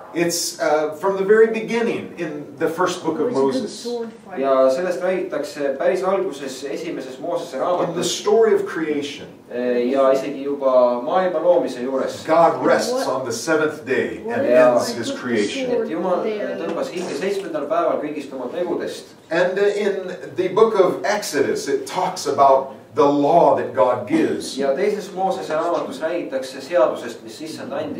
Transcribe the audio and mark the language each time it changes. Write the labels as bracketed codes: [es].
[en] It's from the very beginning in the first book of Moses. [et] Ja sellest räägitakse päris alguses esimeses Moosese raamatus. [en] In the story of creation. [et] Ja isegi juba maailma loomise juures. [en] God rests on the seventh day and ends his creation. [et] Et Jumal tõmbas hinge seitsmendal päeval kõigist oma tegudest. [en] And in the book of Exodus it talks about the law that God gives. [et] Ja teises Moosese raamatus räägitakse seadusest, mis Issand andis.